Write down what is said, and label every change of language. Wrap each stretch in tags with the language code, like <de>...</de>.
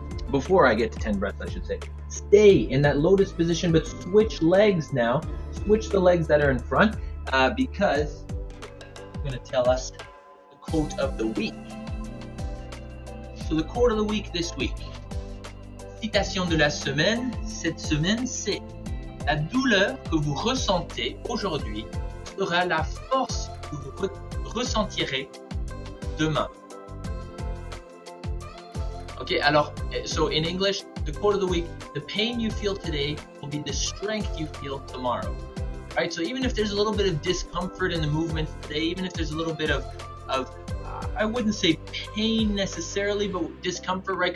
<en>Before I get to 10 breaths, I should say, stay in that lotus position, but switch legs now. Switch the legs that are in front, because I'm going to tell us the quote of the week. So the quote of the week this week.</en> <fr>Citation de la semaine. Cette semaine, c'est la douleur que vous ressentez aujourd'hui sera la force que vous ressentirez demain.</fr> <en>Okay, alors, so in English, the quote of the week, the pain you feel today will be the strength you feel tomorrow. All right, so even if there's a little bit of discomfort in the movement today, even if there's a little bit of I wouldn't say pain necessarily, but discomfort, right?</en>